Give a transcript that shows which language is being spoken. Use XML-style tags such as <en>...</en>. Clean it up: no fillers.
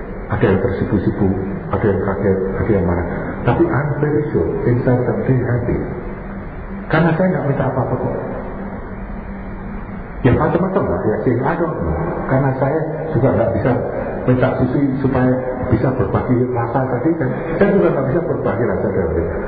<id>Ada yang tersipu-sipu, ada yang kaget, ada yang marah.</id> <en>Tapi I'm very sure, inside them very happy.</en> <id>Karena saya gak minta apa-apa kok. Ya macam-macam lah ya, sih aduh, karena saya juga nggak bisa minta sisi supaya bisa berbagi rasa tadi kan, saya juga nggak bisa berbagi rasa tadi.</id>